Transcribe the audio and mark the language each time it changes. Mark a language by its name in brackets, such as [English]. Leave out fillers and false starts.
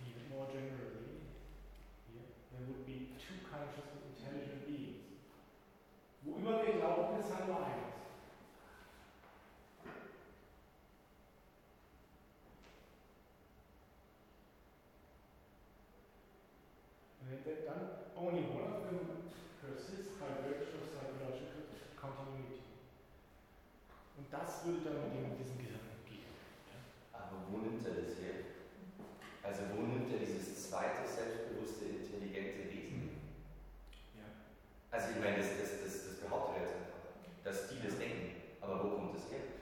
[English] More generally, there would be two conscious and intelligent beings. [German] Wo immer wir glauben, ist halt nur eins. [English] And then only one of them persists by virtue of psychological continuity. [German] Und das würde dann mit diesem Gehirn gehen. Aber wo nimmt er das her? Also wo nimmt er dieses zweite selbstbewusste, intelligente Wesen? Also ich meine, das behauptet er jetzt einfach, dass die das denken. Aber wo kommt das her?